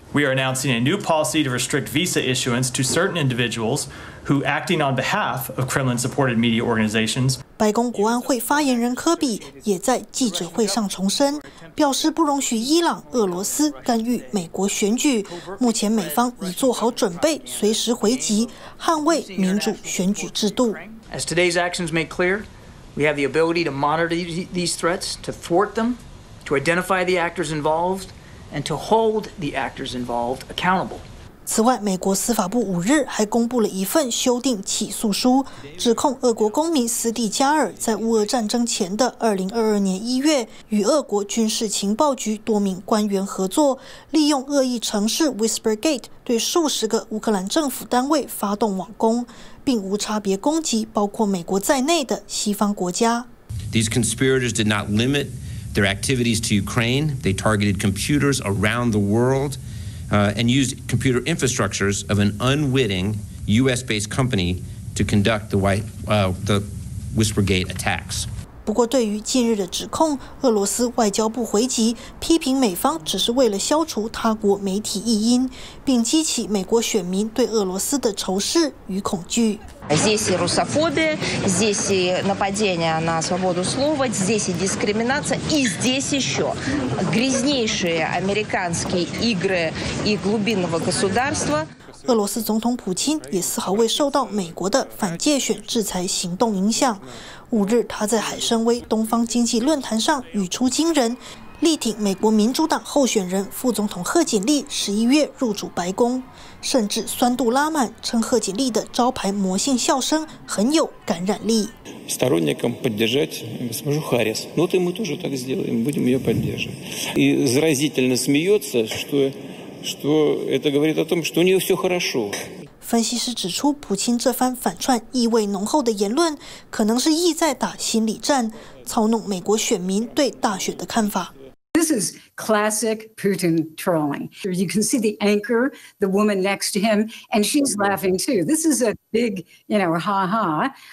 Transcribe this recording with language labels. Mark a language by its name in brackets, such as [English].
[English] We are announcing a new policy to restrict visa issuance to certain individuals who acting on behalf of Kremlin-supported media organizations. [Chinese] 白宫国安会发言人科比也在记者会上重申，表示不容许伊朗、俄罗斯干预美国选举。目前美方已做好准备，随时回击，捍卫民主选举制度。 [English] As today's actions make clear, we have the ability to monitor these threats, to thwart them, to identify the actors involved.And to hold the actors involved accountable. [Chinese] 此外，美国司法部五日还公布了一份修订起诉书，指控俄国公民斯蒂加尔在乌俄战争前的2022年1月与俄国军事情报局多名官员合作，利用恶意程式 Whispergate 对数十个乌克兰政府单位发动网攻，并无差别攻击包括美国在内的西方国家。 [English] These conspirators did not limit their activities to Ukraine. They targeted computers around the worldand use computer infrastructures of an unwitting U.S.-based company to conduct the Whispergate attacks. [Chinese] 不过对于近日的指控，俄罗斯外交部回击，批评美方只是为了消除他国媒体异音，并激起美国选民对俄罗斯的仇视与恐惧。 [Russian] Здесь и русофобия, здесь и нападение на свободу слова, здесь и дискриминация, и здесь еще грязнейшие американские игры и глубинного государства. [Chinese] 俄罗斯总统普京也丝毫未受到美国的反介选制裁行动影响。五日，他在海参崴东方经济论坛上语出惊人，力挺美国民主党候选人副总统贺锦丽11月入主白宫。甚至酸度拉满，称贺锦丽的招牌魔性笑声很有感染力。 [Russian] Сторонникам поддержать смогу Харрис, ну ты мы тоже так сделаем, будем ее поддерживать. И заразительно смеется, что это говорит о том, что у нее все хорошо. [Chinese] 分析师指出，普京这番反串意味浓厚的言论，可能是意在打心理战，操弄美国选民对大选的看法。 [English] This is classic Putin trolling. You can see the anchor, the woman next to him, and she's laughing too. This is a big, you know, ha-ha.